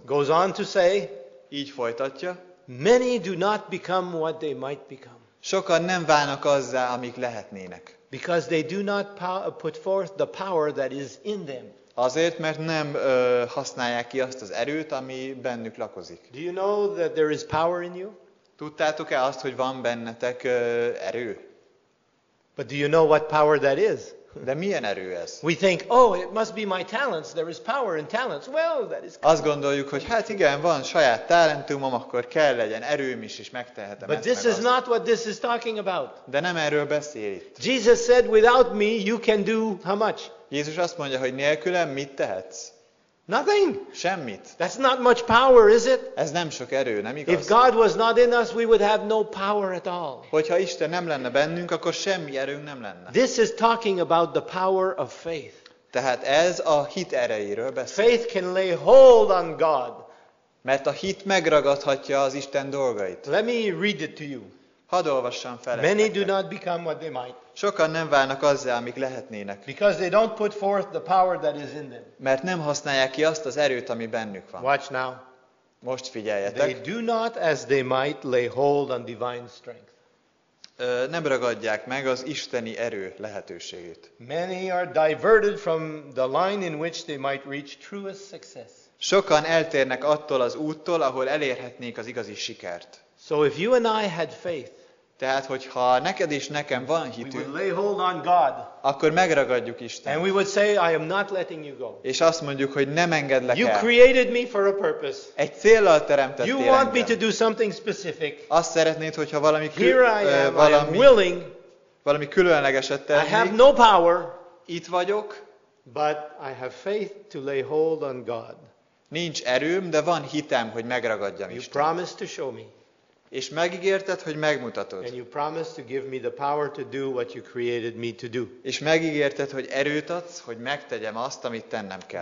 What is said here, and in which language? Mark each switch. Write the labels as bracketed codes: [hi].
[en] Goes on to say, [hu] így folytatja, [en] many do not become what they might become. [hu] Sokan nem válnak azzá, amik lehetnének. [en] Because they do not put forth the power that is in them. [hu] Azért, mert nem használják ki azt az erőt, ami bennük lakozik. [en] Do you know that there is power in you? [hu] Tudtátok-e azt, hogy van bennetek erő? [en] But do you know what power that is? [hu] De milyen erő ez? [en] We think, oh, it must be my talents. There is power in talents. Well, that is. [hu] Azt gondoljuk, hogy hát igen, van saját talentumom, akkor kell legyen erőm is, és megtehetem. [en] But this is not what this is talking about. [hu] De nem erről beszél itt. [en] Jesus said, without me, you can do how much? [hu] Jézus azt mondja, hogy nélkülem mit tehetsz? [en] Nothing. [hu] Semmit. [en] That's not much power, is it? [hu] Ez nem sok erő, nem igaz? [en] If God was not in us, we would have no power at all. [hu] Hogyha Isten nem lenne bennünk, akkor semmi erőnk nem lenne. [en] This is talking about the power of faith. [hu] Tehát ez a hit erejéről beszél. [en] Faith can lay hold on God. [hu] Mert a hit megragadhatja az Isten dolgait. [en] Let me read it to you. [hu] Hadd olvassam fel. [en] Many do not become what they might. [hu] Sokan nem válnak azzá, amik lehetnének. [en] Because they don't put forth the power that is in them. [hu] Mert nem használják ki azt az erőt, ami bennük van. [en] Watch now. [hu] Most figyeljetek. [en] They do not as they might lay hold on divine strength. [hu] Nem ragadják meg az isteni erő lehetőségét. [en] Many are diverted from the line in which they might reach truest success. [hu] Sokan eltérnek attól az úttól, ahol elérhetnék az igazi sikert. [en] So if you and I had faith, [hu] tehát hogyha neked és nekem van hitünk, [en] we would lay hold on God, [hu] akkor megragadjuk Istent. [en] And we would say, I am not letting you go. [hu] És azt mondjuk, hogy nem engedlek [en] you [hu] el. [en] Created me for a purpose. [hu] Egy céllal teremtettél [en] you want [hu] engem. [en] Me to do something specific. [hu] Azt szeretnéd, hogyha valami, [en] here I am, [hu] valami, [en] I am willing, [hu] valami különlegeset tennék. [en] I have no power, [hu] itt vagyok, [en] but I have faith to lay hold on God. [hu] Nincs erőm, de van hitem, hogy megragadjam [en] you [hu] Istent. [en] Promised to show me. [hu] És megígérted, hogy megmutatod. [en] And you promised to give me the power to do what you created me to do. [hu] És megígérted, hogy erőt adsz, hogy megtegyem azt, amit tennem kell.